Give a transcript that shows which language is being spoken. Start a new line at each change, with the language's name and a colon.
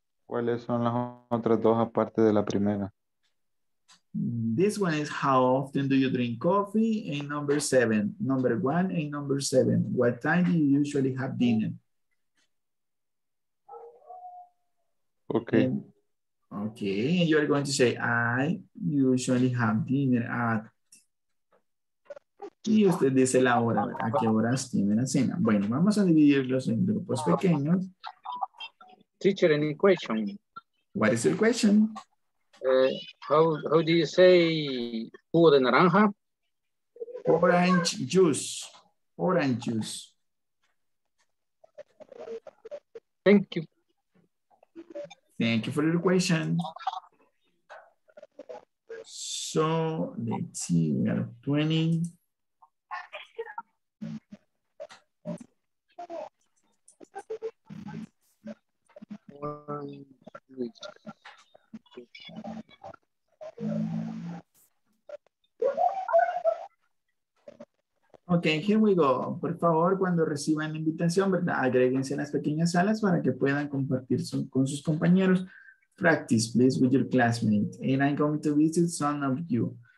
Spanish: ¿Cuáles son las otras dos aparte de la primera?
English: This one is how often do you drink coffee? And number 7. Number 1 and number 7. What time do you usually have dinner? Okay. And you're going to say, I usually have dinner at...
Spanish: Y usted dice la hora, ¿a qué horas tiene la cena? Bueno, vamos a dividirlos en grupos pequeños.
English: Teacher, any question? What is your question? How do you say
Spanish: jugo de naranja?
English: Orange juice. orange juice. Thank you. Thank you for your question. So let's see, we have 20. Ok, here we go.
Spanish: Por favor, cuando reciban la invitación, ¿verdad? Agréguense en las pequeñas salas para que puedan compartir con sus compañeros.
English: Practice, please, with your classmates. And I'm going to visit some of you.